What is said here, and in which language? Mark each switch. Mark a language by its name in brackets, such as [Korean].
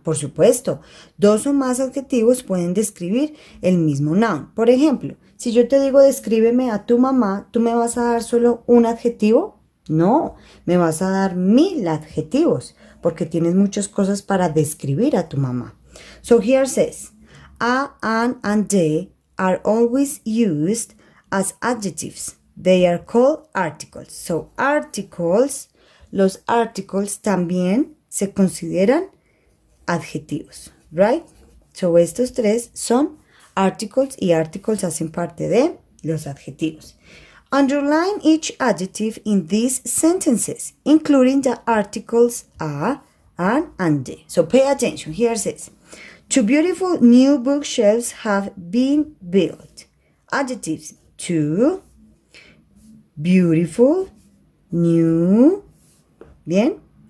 [Spanish] Por supuesto, dos o más adjetivos pueden describir el mismo noun. Por ejemplo, si yo te digo descríbeme a tu mamá, ¿tú me vas a dar solo un adjetivo? No, me vas a dar mil adjetivos porque tienes muchas cosas para describir a tu mamá. [English] So here says, a, an, and they are always used as adjectives. They are called articles. [Spanish] So articles, los articles también se consideran adjetivos, right? So estos tres son articles y articles hacen parte de los adjetivos. [English] Underline each adjective in these sentences, including the articles a, an, and de. So pay attention. Here it says, two beautiful new bookshelves have been built. Adjectives, two beautiful new. Bien.